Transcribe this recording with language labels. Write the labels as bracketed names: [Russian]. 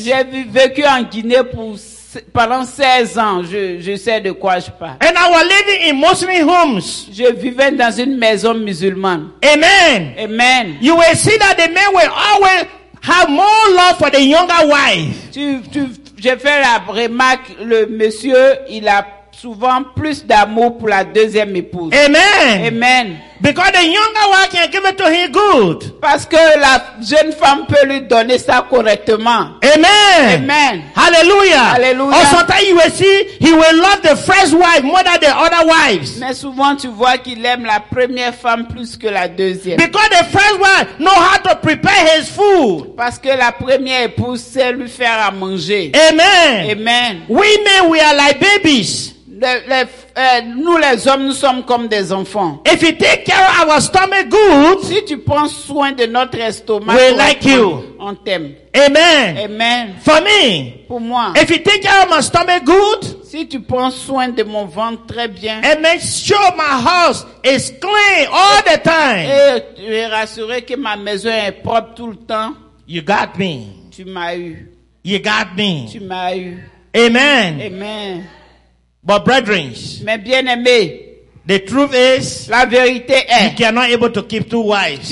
[French] J'ai vécu en Guinée pendant 16 ans. Je sais de quoi je parle. [English] And I was living in Muslim homes. [French] Je vivais dans une maison musulmane. [English] Amen. [French] Amen. [English] You will see that the men will always have more love for the younger wife. [French] J'ai fait la remarque, le monsieur, il a souvent plus d'amour pour la deuxième épouse. [English] Amen. [French] Amen. [English] Because the younger one can give it to him good. [French] Parce que la jeune femme peut lui donner ça correctement. [English] Amen. [French] Amen. [English] Hallelujah. [French] Hallelujah. [English] Or sometimes you will see he will love the first wife more than the other wives. [French] Mais souvent tu vois qu'il aime la première femme plus que la deuxième. [English] Because the first wife know how to prepare his food. [French] Parce que la première épouse sait lui faire à manger. [English] Amen. [French] Amen. [English] Women, we are like babies. [French] Nous les hommes, nous sommes comme des enfants. [English] If you take care of our stomach good, [French] si tu prends soin de notre estomac, [English] we like you. [French] On t'aime. [English] Amen. [French] Amen. [English] For me, [French] pour moi. [English] If you take care of my stomach good, [French] si tu prends soin de mon ventre très bien, [English] and make sure my house is clean all the time, [French] et tu es rassuré que ma maison est propre tout le temps, [English] you got me. [French] Tu m'as eu. [English] You got me. [French] Tu m'as eu. [English] Amen. [French] Amen. [English] But brethren, [French] mais bien aimé, [English] the truth is, [French] la vérité est, [English] you cannot able to keep 2 wives.